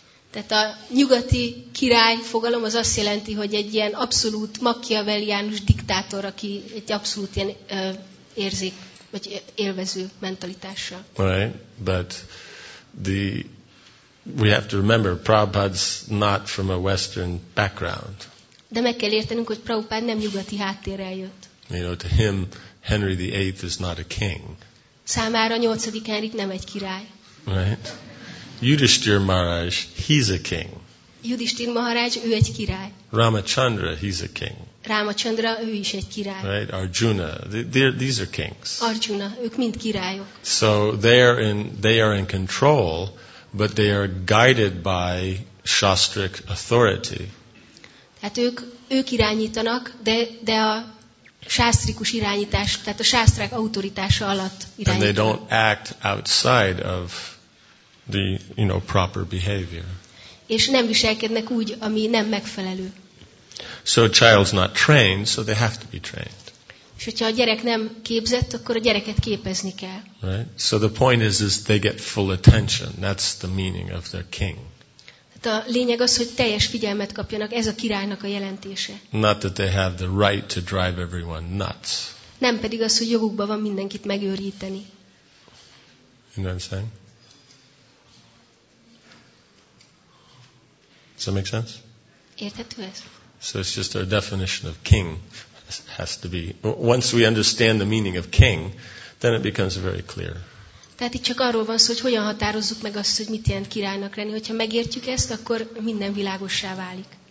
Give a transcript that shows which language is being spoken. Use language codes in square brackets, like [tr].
[hu] Tehát a nyugati király fogalom az azt jelenti, hogy egy ilyen abszolút machiavelliánus diktátor, aki egy abszolút ilyen érzék vagy élvező mentalitással. [en] Right, but we have to remember Prabhupada's not from a Western background. [hu] De meg kell értenünk, hogy Prabhupada nem nyugati háttérrel jött. [en] You know, to him Henry VIII is not a king. [hu] Számára a 8. Henrik nem egy király. [en] Right. Yudhishthira Maharaj, he's a king. [hu] Yudhishthira Maharaj, ő egy király. [en] Ramachandra, he's a king. [hu] Ramachandra, ő is egy király. [en] Right? Arjuna, these are kings. [hu] Arjuna, ők mind királyok. [en] So they are in control, but they are guided by Shastric authority. [hu] Tehát ők irányítanak, de a sásztrikus irányítás, tehát a sásztrák autoritása alatt irányítanak. [en] And they don't act outside of the proper behavior. [hu] És nem viselkednek úgy, ami nem megfelelő. [en] So a child's not trained, so they have to be trained. [hu] És hogyha a gyerek nem képzett, akkor a gyereket képezni kell. [en] Right. So the point is they get full attention. That's the meaning of their king. [hu] Tehát a lényeg az, hogy teljes figyelmet kapjanak, ez a királynak a jelentése. [en] Not that they have the right to drive everyone nuts. [hu] Nem pedig az, hogy jogukban van mindenkit megőríteni. [en] You know what I'm saying? Does that make sense? [hu] Érthető ez? [en] So it's just our definition of king has to be. Once we understand the meaning of king, then it becomes very clear. [hu] Tehát itt csak arról van szó, hogy hogyan határozzuk meg azt, hogy mit jelent királynak lenni. Hogyha megértjük ezt, akkor minden világossá válik.